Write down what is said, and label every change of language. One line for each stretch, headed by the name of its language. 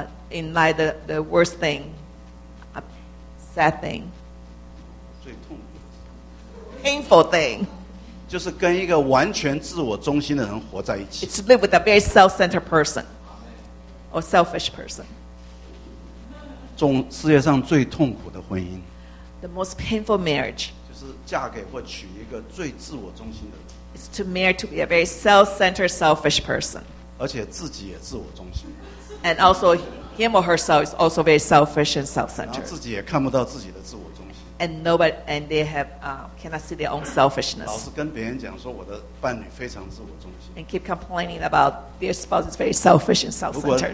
English: In life, the worst thing, a sad thing.
Chinese: 最痛苦的。
English: Painful thing.
Chinese: 就是跟一个完全自我中心的人活在一起。
English: It's to live with a very self-centered person, or selfish person.
Chinese: 世界上最痛苦的婚姻
English: The most painful marriage
Chinese: 就是嫁给或娶一个最自我中心的人
English: It's to marry to be a very self-centered, selfish person
Chinese: 而且自己也自我中心
English: And also him or herself is also very selfish and self-centered
Chinese: 然后自己也看不到自己的自我中心
English: And nobody, and they have, cannot see their own selfishness
Chinese: 老是跟别人讲说我的伴侣非常自我中心
English: And keep complaining about their spouse is very selfish and self-centered